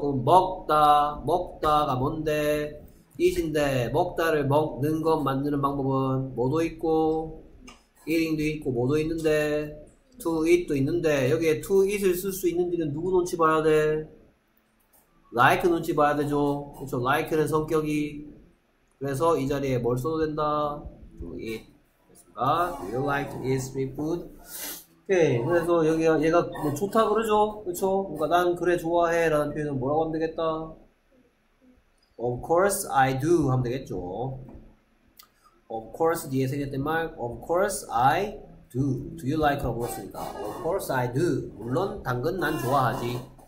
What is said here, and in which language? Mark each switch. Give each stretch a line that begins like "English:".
Korean: 그럼 먹다가 뭔데? eat인데 먹다를 먹는 것 만드는 방법은 뭐도 있고 eating도 있고 뭐도 있는데 to eat도 있는데 여기에 to eat을 쓸수 있는지는 누구 눈치 봐야 돼? like 눈치 봐야 되죠. 그렇죠? like는 성격이 그래서 이 자리에 뭘 써도 된다? to eat.
English: 아, do you like to eat street food?
Korean: 오케이. 그래서 여기가 얘가 뭐 좋다 그러죠? 그쵸? 그러니까 난 그래 좋아해라는 표현은 뭐라고 하면 되겠다?
English: Of course I do
Korean: 하면 되겠죠.
English: Of course
Korean: 뒤에 생겼던 말,
English: Of course I do. Do you like
Korean: 라고 물었으니까.
English: Of course I do.
Korean: 물론 당근 난 좋아하지.